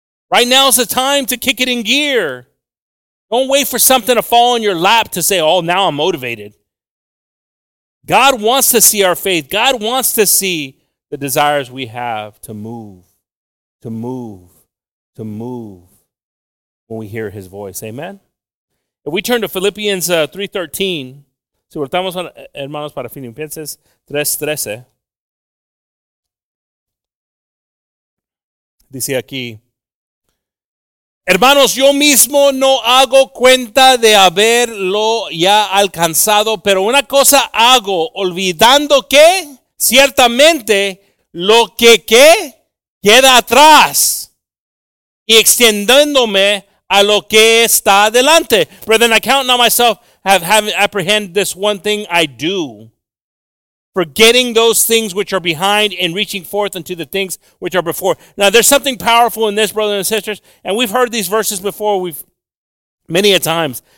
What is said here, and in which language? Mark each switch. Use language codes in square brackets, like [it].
[en] Right now is the time to kick it in gear. Don't wait for something to fall in your lap to say, oh, now I'm motivated. God wants to see our faith. God wants to see the desires we have to move, to move, to move when we hear his voice. Amen? If we turn to Philippians 3:13, [es] si voltamos, hermanos, para Filipenses 3:13, dice aquí, hermanos, yo mismo no hago cuenta de haberlo ya alcanzado, pero una cosa hago, olvidando que ciertamente lo que ¿qué? Queda atrás y extendiéndome a lo que está delante. [en] Brethren, I count not myself have apprehended this one thing I do. Forgetting those things which are behind and reaching forth unto the things which are before. Now, there's something powerful in this, brothers and sisters. And we've heard these verses before many a times.